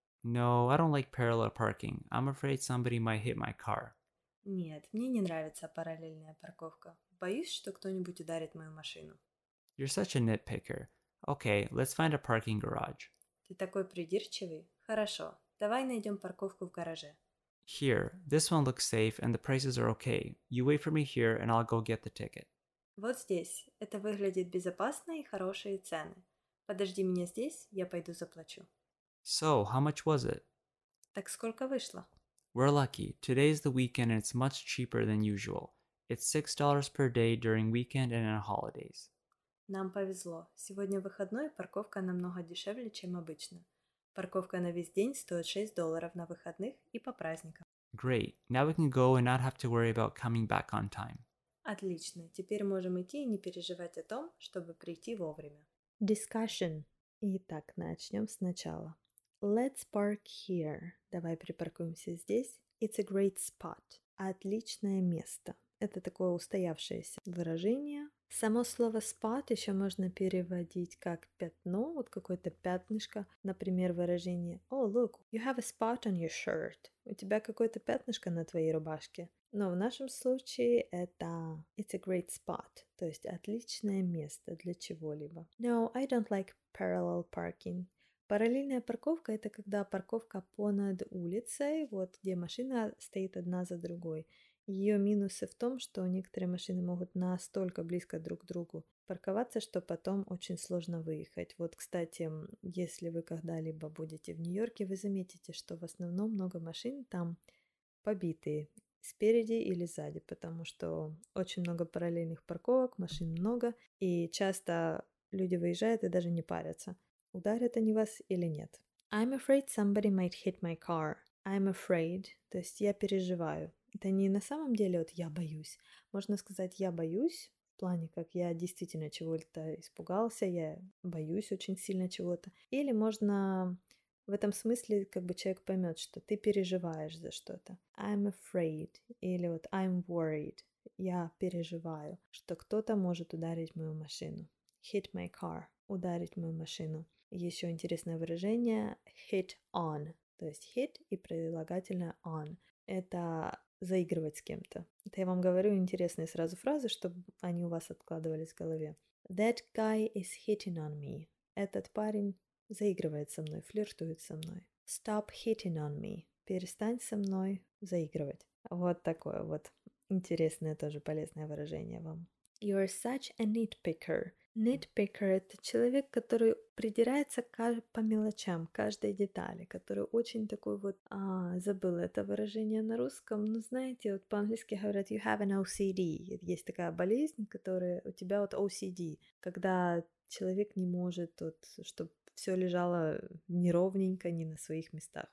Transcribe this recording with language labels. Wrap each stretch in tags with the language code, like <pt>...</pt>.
<en>No, I don't like parallel parking. I'm afraid somebody might hit my car.</en> <ru>Нет, мне не нравится параллельная парковка. Боюсь, что кто-нибудь ударит мою машину.</ru> <en>You're such a nitpicker. Okay, let's find a parking garage.</en> <ru>Ты такой придирчивый. Хорошо, давай найдем парковку в гараже.</ru> <en>Here, this one looks safe and the prices are okay. You wait for me here and I'll go get the ticket.</en> <ru>Вот здесь. Это выглядит безопасно и хорошие цены. Подожди меня здесь, я пойду заплачу.</ru> <en>So, how much was it?</en> <ru>Так сколько вышло?</ru> <en>We're lucky. Today is the weekend and it's much cheaper than usual. It's $6 per day during weekend and on holidays.</en> <ru>Нам повезло. Сегодня выходной, парковка намного дешевле, чем обычно. Парковка на весь день стоит $6 на выходных и по праздникам.</ru> <en>Great. Now we can go and not have to worry about coming back on time.</en> <ru>Отлично. Теперь можем идти и не переживать о том, чтобы прийти вовремя.</ru> <en>Discussion.</en> <ru>Итак, начнем сначала.</ru> <en>Let's park here.</en> <ru>Давай припаркуемся здесь.</ru> <en>It's a great spot.</en> <ru>Отличное место. Это такое устоявшееся выражение. Само слово spot еще можно переводить как пятно, вот какое-то пятнышко. Например, выражение</ru> <en>Oh, look, you have a spot on your shirt.</en> <ru>У тебя какое-то пятнышко на твоей рубашке. Но в нашем случае это</ru> <en>It's a great spot.</en> <ru>То есть отличное место для чего-либо.</ru> <en>No, I don't like parallel parking.</en> <ru>Параллельная парковка – это когда парковка понад улицей, вот где машина стоит одна за другой. Ее минусы в том, что некоторые машины могут настолько близко друг к другу парковаться, что потом очень сложно выехать. Вот, кстати, если вы когда-либо будете в Нью-Йорке, вы заметите, что в основном много машин там побитые спереди или сзади, потому что очень много параллельных парковок, машин много, и часто люди выезжают и даже не парятся, ударят они вас или нет.</ru> <en>I'm afraid somebody might hit my car. I'm afraid,</en> <ru>то есть я переживаю. Это не на самом деле вот я боюсь. Можно сказать я боюсь, в плане как я действительно чего-то испугался, я боюсь очень сильно чего-то. Или можно в этом смысле как бы человек поймет, что ты переживаешь за что-то.</ru> <en>I'm afraid</en> <ru>или вот</ru> <en>I'm worried.</en> <ru>Я переживаю, что кто-то может ударить мою машину.</ru> <en>Hit my car.</en> <ru>Ударить мою машину. Еще интересное выражение hit on. То есть hit и прилагательное on. Это заигрывать с кем-то. Это я вам говорю интересные сразу фразы, чтобы они у вас откладывались в голове.</ru> <en>That guy is hitting on me.</en> <ru>Этот парень заигрывает со мной, флиртует со мной.</ru> <en>Stop hitting on me.</en> <ru>Перестань со мной заигрывать. Вот такое вот интересное тоже полезное выражение вам.</ru> <en>You're such a nitpicker.</en> <ru>Nitpicker – это человек, который придирается по мелочам, каждой детали, который очень такой вот, забыл это выражение на русском, но знаете, вот по-английски говорят</ru> <en>you have an OCD,</en> <ru>есть такая болезнь, которая у тебя вот OCD, когда человек не может вот, чтобы все лежало неровненько, не на своих местах.</ru>